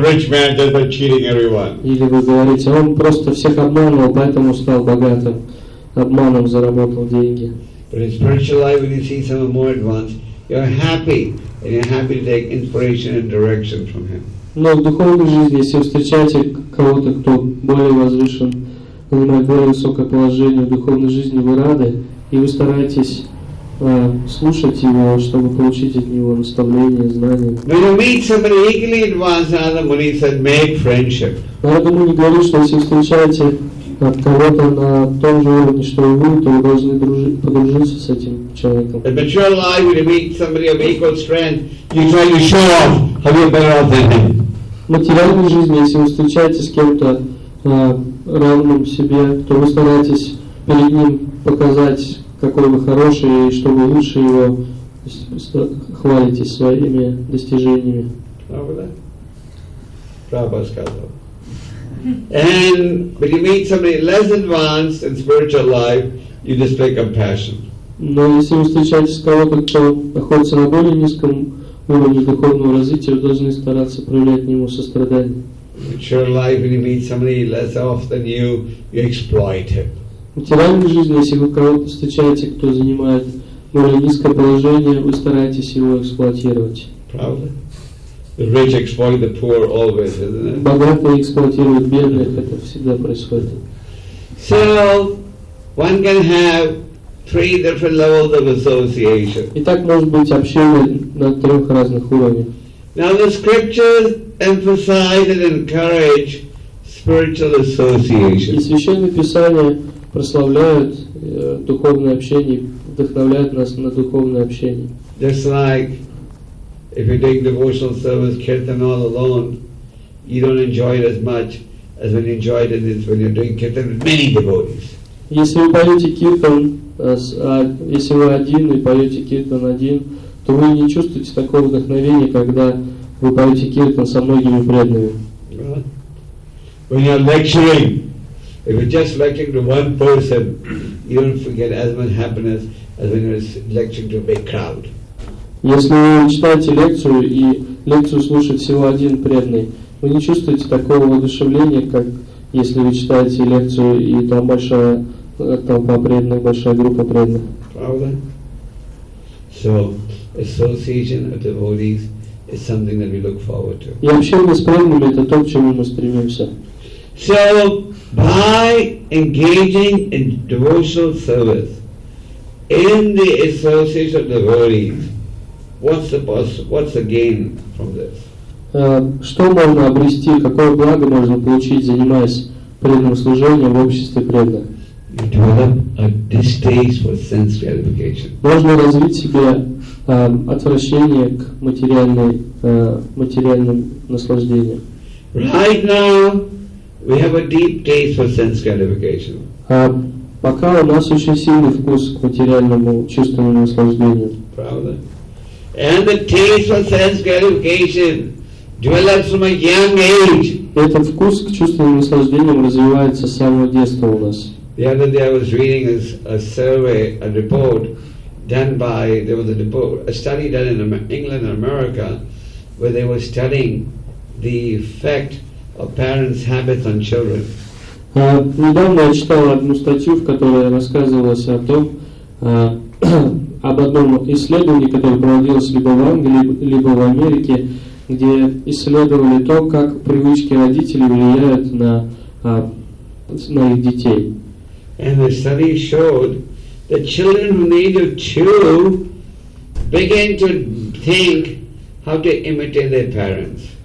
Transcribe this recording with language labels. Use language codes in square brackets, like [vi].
[ru] Или вы говорите, он просто всех обманывал, поэтому стал богатым, обманом заработал деньги. [en] But in spiritual life, when you see someone more advanced, you're happy, and you're happy to take inspiration and direction from him. [ru] Но в духовной жизни, если встречаете кого-то, кто более возвышен, занимает более высокое положение в духовной жизни, вы рады, и вы стараетесь слушать его, чтобы получить от него наставление, знания. [en] When you meet somebody equally advanced, Narada Muni said, make friendship. [ru] Narada Muni говорит, что если встречаете кого-то на том же уровне, что и вы, то вы должны подружиться с этим человеком. [en] In mature life, when you meet somebody of equal strength, you try to show off how you're better off than him. [ru] В материальной жизни, если вы встречаетесь с кем-то равным себе, то вы стараетесь перед ним показать, какой вы хороший, и что вы лучше его, хвалитесь своими достижениями. Прабхупада сказал. [en] And when you meet somebody less advanced in spiritual life, you display compassion. [ru] Но если вы встречаетесь с кого-то, кто находится на более низком уровне духовного развития, вы должны стараться проявлять к нему сострадание. [en] In your life, when you meet somebody less off than you, you exploit him. [ru] В материальной жизни, если вы кого-то встречаете, кто занимает более низкое положение, вы стараетесь его эксплуатировать. Правда? [en] The rich exploit the poor always, isn't it? [ru] Богатые эксплуатируют бедных, это всегда происходит. [en] So, one can have three different levels of association. [ru] И так может быть общение на трех разных уровнях. [en] Now the scriptures emphasize and encourage spiritual association. [ru] И Священное Писание прославляют духовное общение, вдохновляют нас на духовное общение. [en] Just like if you take devotional service kirtan all alone, you don't enjoy it as much as when you enjoy it when you're doing kirtan with many devotees. [ru] Если вы поете киртан, если вы один и поете киртан один, то вы не чувствуете такого вдохновения, когда вы поете киртан со многими преданными. [en] When you're lecturing. If you're just lecturing to one person, you don't forget as much happiness as when you're lecturing to a big crowd. [ru] Если вы читаете лекцию и лекцию слушает всего один преданный, вы не чувствуете такого воодушевления, как если вы читаете лекцию и там большая толпа преданных, большая группа преданных. Правда? [en] So association of devotees is something that we look forward to. [ru] И общение с преданными — это то, к чему мы стремимся. [en] So by engaging in devotional service in the association of devotees, what's the gain from this? [ru] Что можно обрести, какое благо можно получить, занимаясь преданным служением в обществе преданных? [en] You develop a distaste for sense gratification. [ru] Можно развить себе отвращение к материальным наслаждениям. [en] Right now we have a deep taste for sense gratification. [ru] Пока у нас очень сильный вкус к материальному чувственному наслаждению. Правда? [en] And the taste for sense gratification develops from a young age. [ru] Этот вкус к чувственным наслаждениям развивается с самого детства у нас. [en] The other day I was reading a study done in England and America where they were studying the effect of parents' habits on children. [ru] Недавно я читал одну статью, в которой рассказывалось о том, об одном исследовании, которое проводилось либо в Англии, либо в Америке, где исследовали то, как привычки родителей влияют на их детей. [en] And the study showed that children from the age of 2 began to think how to imitate their parents.